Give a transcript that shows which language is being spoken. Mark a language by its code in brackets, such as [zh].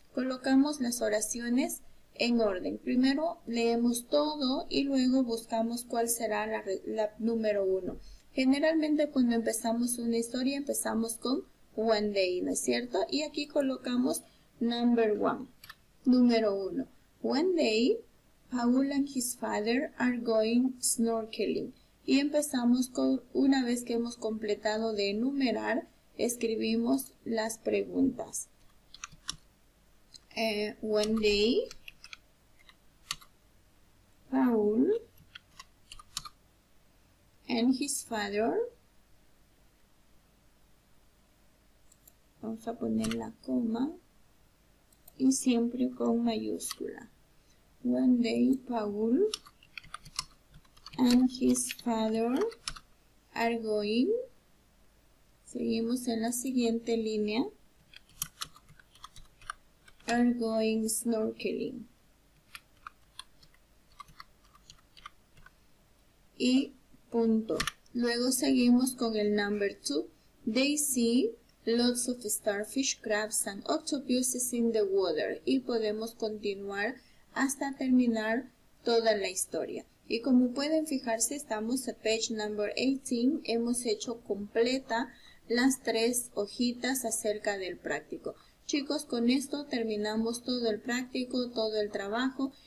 [es] Colocamos las oraciones en orden. Primero leemos todo y luego buscamos cuál será la número 1. Generalmente cuando empezamos una historia empezamos con one day, ¿no es cierto? Y aquí colocamos number one, número uno. [en] One day, Paul and his father are going snorkeling. [es] Y empezamos con, una vez que hemos completado de enumerar, escribimos las preguntas. [en] One day, Paul and his father. [es] Vamos a poner la coma. Y siempre con mayúscula. [en] One day, Paul and his father are going. [es] Seguimos en la siguiente línea. [en] Are going snorkeling. [es] Y punto. Luego seguimos con el number two. [en] They see lots of starfish, crabs, and octopuses in the water. [es] Y podemos continuar hasta terminar toda la historia. Y como pueden fijarse, estamos en page number 18. Hemos hecho completa las tres hojitas acerca del práctico. Chicos, con esto terminamos todo el práctico, todo el trabajo.